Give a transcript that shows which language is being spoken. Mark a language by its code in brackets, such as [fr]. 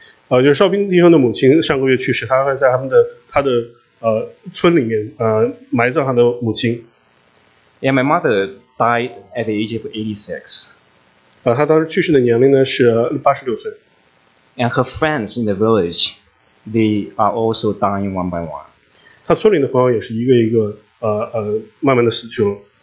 [zh] 就是少兵弟兄的母亲上个月去世，他还在他的村里面埋葬他的母亲。 [en] Yeah, my mother died at the age of 86. [zh] 他当时去世的年龄呢是86岁。 [en] And her friends in the village, they are also dying one by one. [zh] 他村里的朋友也是一个慢慢的死去了。